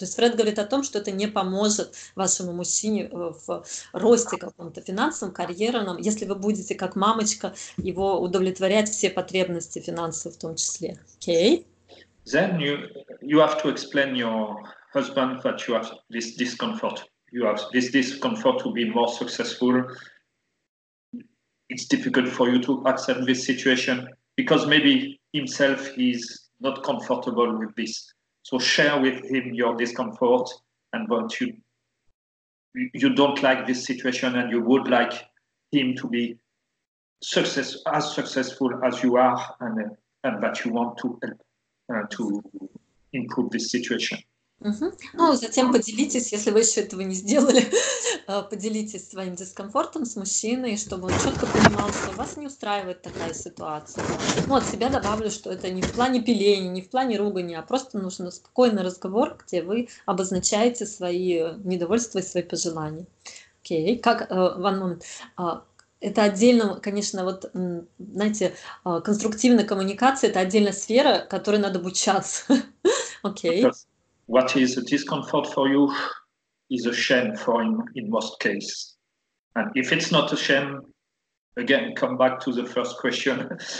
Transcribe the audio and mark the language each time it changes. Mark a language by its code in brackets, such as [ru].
[ru] То есть Фред говорит о том, что это не поможет вашему мужчине в росте каком-то финансовом, карьерном, если вы будете, как мамочка, его удовлетворять все потребности финансовые в том числе. Окей? [en] Okay? Then you have to explain your husband, that you have this discomfort. You have this discomfort to be more successful. It's difficult for you to accept this situation because maybe himself is not comfortable with this. So share with him your discomfort and what you don't like this situation and you would like him to be successful as you are and that you want to help to improve this situation. [ru] Ну, затем поделитесь, если вы еще этого не сделали, поделитесь своим дискомфортом с мужчиной, чтобы он четко понимал, что вас не устраивает такая ситуация. Ну, от себя добавлю, что это не в плане пиления, не в плане ругания, а просто нужен спокойный разговор, где вы обозначаете свои недовольства и свои пожелания. Окей, как, [en] one moment. [ru] Это отдельно, конечно, вот, знаете, конструктивная коммуникация – это отдельная сфера, которой надо обучаться. Окей. [en] What is a discomfort for you is a shame for him in most cases. And if it's not a shame, again, come back to the first question.